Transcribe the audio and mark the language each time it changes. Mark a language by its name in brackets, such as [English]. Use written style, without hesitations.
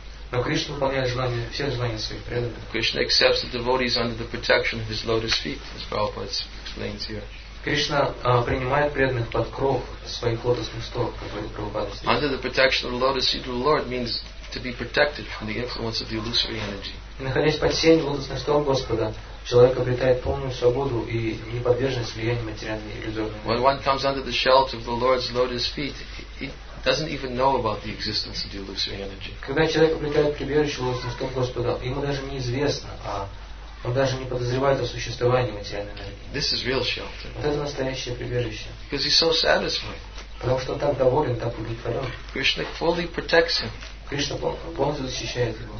[Russian] Но Кришна выполняет желания, все желания своих преданных. [English] Krishna accepts the devotees under the protection of his lotus feet, as Prabhupada explains here. [Russian] Кришна принимает преданных под кров своих лотосных стоп, как говорит Прабхупада. [English] Under the protection of the lotus feet of the Lord means to be protected from the influence of the illusory energy. [Russian] Находясь под сенью владычества Господа, человек обретает полную свободу и неподверженность влиянию материальной иллюзорной. [English] When one comes under the shelter of the Lord's lotus feet, he doesn't even know about the existence of the illusory energy. [Russian] Когда человек обретает прибежище владычества Господа, ему даже неизвестно, а он даже не подозревает о существовании материальной энергии. [English] This is real shelter. [Russian] Вот это настоящее прибежище. [English] Because he's so satisfied. [Russian] Потому что он так доволен, так удовлетворен. [English] Krishna fully protects him. [Russian] Кришна полностью защищает его.